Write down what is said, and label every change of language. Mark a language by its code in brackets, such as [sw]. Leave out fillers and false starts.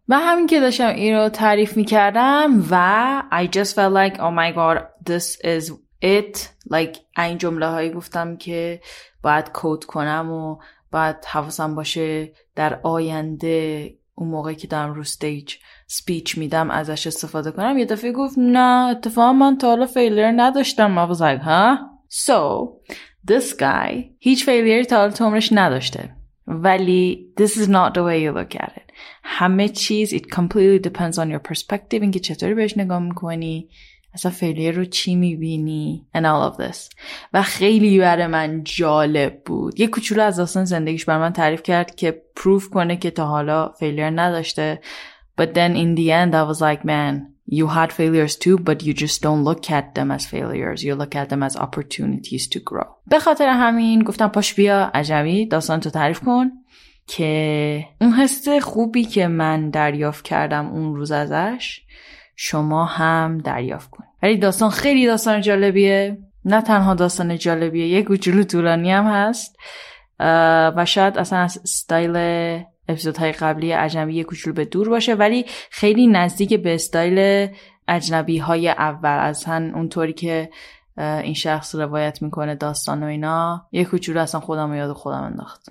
[fa] و همین که داشتم این رو تعریف میکردم و [en] I just felt like oh my god this is it، [fa] like این جمله هایی گفتم که باید کد کنم و باید حواسم باشه در آینده اون موقع که دارم رو استیج سپیچ میدم ازش استفاده کنم، یه دفعه گفت نه اتفاقا من تا حالا فیلیر نداشتم. [en] I was like huh؟ So this guy [fa] هیچ فیلیری تا حالا تو عمرش نداشته، ولی [en] this is not the way you look at it. [fa] همه چیز [en] it completely depends on your perspective، [fa] اینکه چطوری بهش نگاه میکنی، اصلا فیلیر رو چی میبینی [en] and all of this. [fa] و خیلی برای من جالب بود، یه کوچولو از داستان زندگیش برای من تعریف کرد که پروف کنه که تا حالا فیلیر نداشته. [en] But then in the end I was like man you had failures too but you just don't look at them as failures، you look at them as opportunities to grow. [fa] به خاطر همین گفتم پاش بیا عجبی داستان تو تعریف کن، که اون حس خوبی که من دریافت کردم اون روز ازش شما هم دریافت کنید. ولی داستان خیلی داستان جالبیه، نه تنها داستان جالبیه، یه گوجلو طولانی هم هست و شاید اصلا از استایل اپیزودهای قبلی عجنبی یه گوجلو به دور باشه، ولی خیلی نزدیک به استایل عجنبی های اول، اصلا اونطوری که این شخص روایت میکنه داستان و اینا، یه کوچولو اصلا خودم رو یاد خودم انداخت.